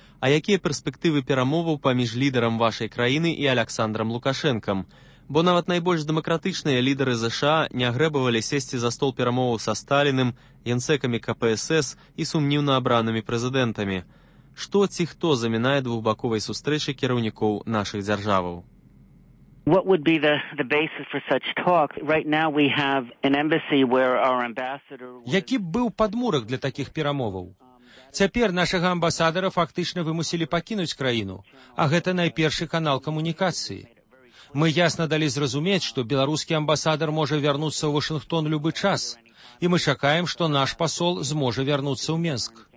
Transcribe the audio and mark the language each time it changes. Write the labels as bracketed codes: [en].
[be] А якія перспектывы перамоваў паміж лідарам вашай краіны і Аляксандрам Лукашэнкам? Бо нават найбольш дэмакратычныя лідары ЗША не грэбавалі сесці за стол перамоваў са Сталіным, генсэкамі КПСС і сумніўна абранымі прэзідэнтамі. Што ці хто замінае двухбаковай сустрэчы кіраўнікоў нашых дзяржаваў? [en] What would be the basis for such talk? Right now we have an embassy where our ambassador. [be] Які б быў падмурак для такіх перамоваў? Цяпер нашага амбасадара фактычна вымусілі пакінуць краіну, а гэта найпершы канал камунікацыі. Мы ясна далі зразумець, што беларускі амбасадар можа вярнуцца ў Вашынгтон любы час, і мы чакаем, што наш пасол зможа вярнуцца ў Менск.